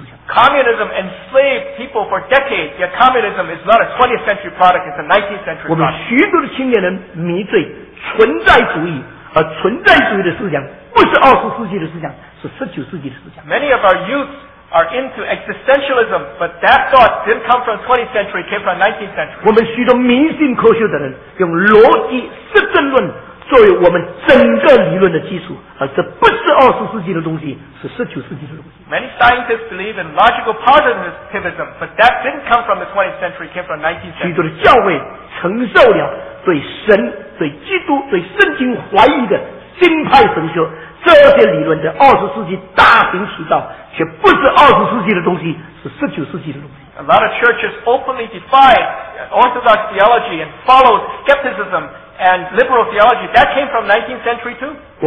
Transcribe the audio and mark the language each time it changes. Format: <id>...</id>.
<en>Communism enslaved people for decades, yet communism is not a 20th century product, it's a 19th century product.</en> <zh>我们许多的青年人迷醉存在主义，而存在主义的思想。不是20世纪的思想，是19世纪的思想。</zh> <en>Many of our youths are into existentialism, but that thought didn't come from 20th century, it came from 19th century.</en> <zh>我们许多迷信科学的人用逻辑实证论作为我们整个理论的基础，而这不是20世纪的东西，是19世纪的东西。</zh> <en>Many scientists believe in logical positivism, but that didn't come from the 20th century, it came from 19th century.</en> <zh>许多的教会承受了对神、对基督、对圣经怀疑的新派神学。这些理论在20世纪大行其道，却不是20世纪的东西，是19世纪的东西。</zh> <en>A lot of churches openly defy orthodox theology and follow skepticism and liberal theology. That came from 19th century too.</en>